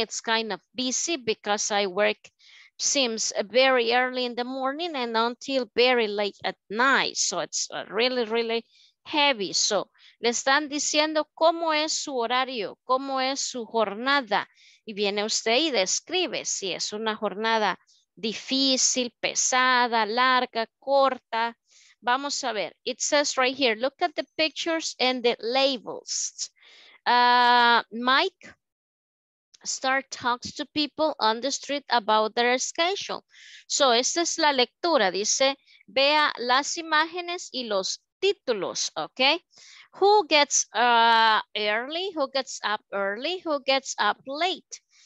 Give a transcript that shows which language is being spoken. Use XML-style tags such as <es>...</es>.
<en>It's kind of busy because I work seems very early in the morning and until very late at night. So it's really, really heavy.</en> <es>So le están diciendo cómo es su horario, cómo es su jornada. Y viene usted y describe si es una jornada difícil, pesada, larga, corta. Vamos a ver.</es> <en>It says right here, look at the pictures and the labels. Mike start talks to people on the street about their schedule.</en> <es>So esta es la lectura, dice, vea las imágenes y los títulos, okay?</es> <en>Who gets early, who gets up early, who gets up late?</en>